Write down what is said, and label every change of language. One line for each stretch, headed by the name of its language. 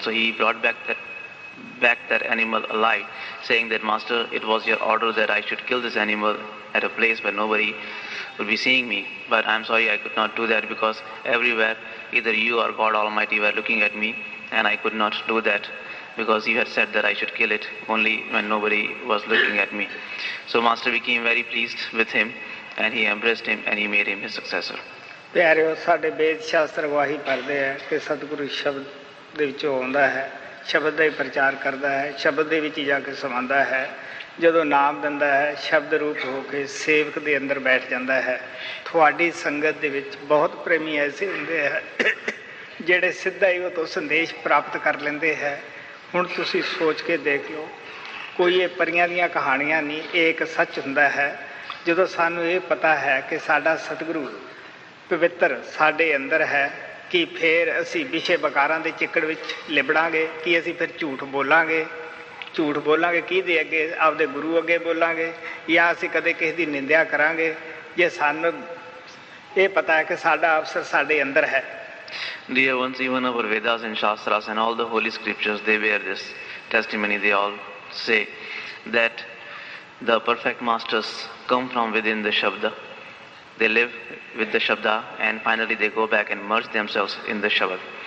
English: So he brought back that animal alive, saying that, "Master, it was your order that I should kill this animal at a place where nobody would be seeing me, but I'm sorry I could not do that because everywhere either you or God Almighty were looking at me, and I could not do that because you had said that I should kill it only when nobody was looking at me." So Master became very pleased with him, and he embraced him, and he made him his successor.
Punjabi: ਪਿਆਰੇ ਉਹ ਸਾਡੇ ਵੇਦ ਸ਼ਾਸਤਰ ਵਾਹੀ ਪੜ੍ਹਦੇ ਹੈ ਕਿ ਸਤਿਗੁਰੂ ਸ਼ਬਦ ਦੇ ਵਿੱਚੋਂ ਆਉਂਦਾ ਹੈ, ਸ਼ਬਦ ਦਾ ਹੀ ਪ੍ਰਚਾਰ ਕਰਦਾ ਹੈ, ਸ਼ਬਦ ਦੇ ਵਿੱਚ ਹੀ ਜਾ ਕੇ ਸਮਾਉਂਦਾ ਹੈ। ਜਦੋਂ ਨਾਮ ਦਿੰਦਾ ਹੈ, ਸ਼ਬਦ ਰੂਪ ਹੋ ਕੇ ਸੇਵਕ ਦੇ ਅੰਦਰ ਬੈਠ ਜਾਂਦਾ ਹੈ। ਤੁਹਾਡੀ ਸੰਗਤ ਦੇ ਵਿੱਚ ਬਹੁਤ ਪ੍ਰੇਮੀ ਐਸੇ ਹੁੰਦੇ ਹੈ ਜਿਹੜੇ ਸਿੱਧਾ ਹੀ ਉਹ ਤੋਂ ਸੰਦੇਸ਼ ਪ੍ਰਾਪਤ ਕਰ ਲੈਂਦੇ ਹੈ। ਹੁਣ ਤੁਸੀਂ ਸੋਚ ਕੇ ਦੇਖ ਲਓ, ਕੋਈ ਇਹ ਪਰੀਆਂ ਦੀਆਂ ਕਹਾਣੀਆਂ ਨਹੀਂ, ਇਹ ਇੱਕ ਸੱਚ ਹੁੰਦਾ ਹੈ। ਜਦੋਂ ਸਾਨੂੰ ਇਹ ਪਤਾ ਹੈ ਕਿ ਸਾਡਾ ਸਤਿਗੁਰੂ ਪਵਿੱਤਰ ਸਾਡੇ ਅੰਦਰ ਹੈ, ਕਿ ਫਿਰ ਅਸੀਂ ਵਿਸ਼ੇ ਵਿਕਾਰਾਂ ਦੇ ਚਿੱਕੜ ਵਿੱਚ ਲਿਬੜਾਂਗੇ, ਕਿ ਅਸੀਂ ਫਿਰ ਝੂਠ ਬੋਲਾਂਗੇ ਕਿਹਦੇ ਅੱਗੇ, ਆਪਦੇ ਗੁਰੂ ਅੱਗੇ ਬੋਲਾਂਗੇ, ਜਾਂ ਅਸੀਂ ਕਦੇ ਕਿਸੇ ਦੀ ਨਿੰਦਿਆ ਕਰਾਂਗੇ, ਜੇ ਸਾਨੂੰ ਇਹ ਪਤਾ ਹੈ ਕਿ ਸਾਡਾ ਅਫਸਰ ਸਾਡੇ ਅੰਦਰ ਹੈ।
English: Dear ones, even our Vedas and Shastras and all the holy scriptures, they bear this testimony. They all say that the perfect masters come from within the Shabda. They live with the Shabda, and finally they go back and merge themselves in the Shabad.